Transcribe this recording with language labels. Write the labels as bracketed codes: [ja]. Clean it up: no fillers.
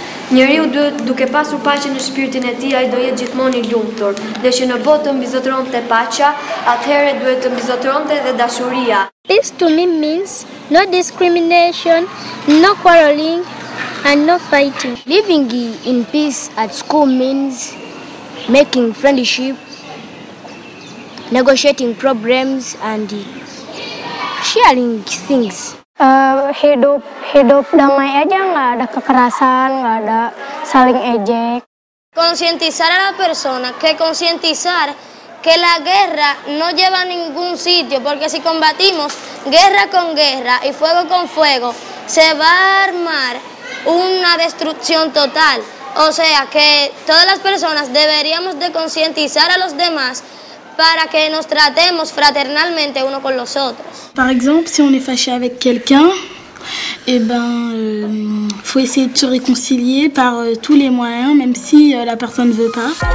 [sq] Njeriu duhet duke pasur paqe në shpirtin e tij, ai do jetë gjithmonë i lumtur. Dhe që në botë mbizotëronte paqja, atëherë duhet të mbizotëronte edhe dashuria. [en] Peace to me means no discrimination, no quarreling and no fighting. Living in peace at school means making friendship, negotiating problems and sharing things. [id] Hidup damai aja, nggak ada kekerasan, nggak ada saling ejek. [es] Concientizar a la persona, que concientizar que la guerra no lleva a ningún sitio, porque si combatimos guerra con guerra y fuego con fuego, se va a armar una destrucción total. O sea que todas las personas deberíamos de concientizar a los demás para que nos tratemos fraternalmente uno con los otros. [fr] Par exemple, si on est fâché avec quelqu'un, eh ben, faut essayer de se réconcilier par tous les moyens, même si la personne ne veut pas.